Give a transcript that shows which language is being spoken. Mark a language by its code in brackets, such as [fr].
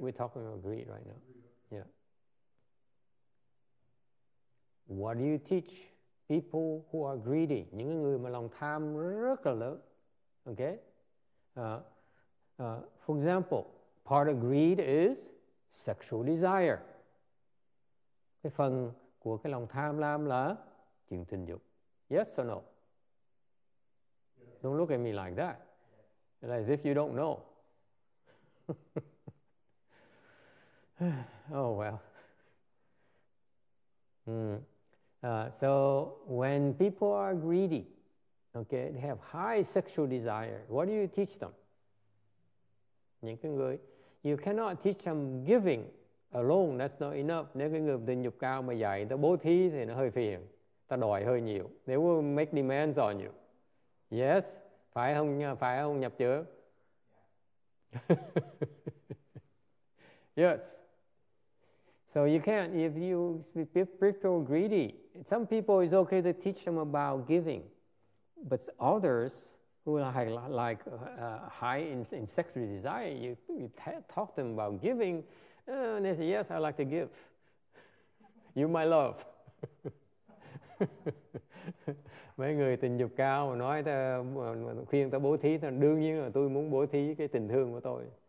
[en] We're talking about greed right now. Yeah. What do you teach people who are greedy, [vi] những người mà lòng tham rất là lớn. Okay? [en] For example, part of greed is sexual desire. [vi] Cái phần của cái lòng tham lam là chuyện tình dục. [en] Yes or no? Don't look at me like that. As if you don't know. Oh, well. So when people are greedy, okay, they have high sexual desire, what do you teach them? [vi] Những cái người, [en] you cannot teach them giving alone, that's not enough. [vi] Nếu cái người tình dục cao mà dạy, ta bố thí thì nó hơi phiền. Ta đòi hơi nhiều. [en] They will make demands on you. Yes? [vi] Phải không nhập chứa? [en] Yes. So you can, if you be spiritual greedy, some people it's okay to teach them about giving. But others who are like high in sexual desire, you talk to them about giving, and they say, yes, I like to give. You my love. [vi] Mấy người tình dục cao mà nói ta, khuyên ta bố thí, ta đương nhiên là tôi muốn bố thí cái tình thương của tôi.